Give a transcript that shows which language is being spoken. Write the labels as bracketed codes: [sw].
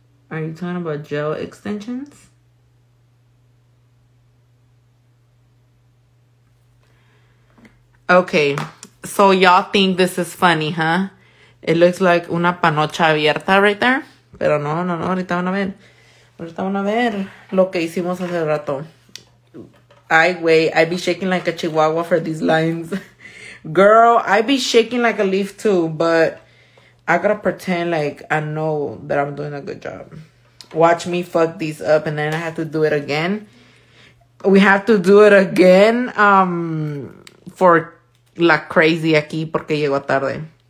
[en] Are you talking about gel extensions? Okay, so y'all think this is funny, huh? It looks like [es] una panocha abierta [en] right there. [es] Pero no, no, no. Ahorita van a ver. Ahorita van a ver lo que hicimos hace rato. [en] I wait. I be shaking like a chihuahua for these lines. Girl, I be shaking like a leaf too. But I gotta pretend like I know that I'm doing a good job. Watch me fuck these up and then I have to do it again. We have to do it again for [es] la crazy aquí porque llego tarde.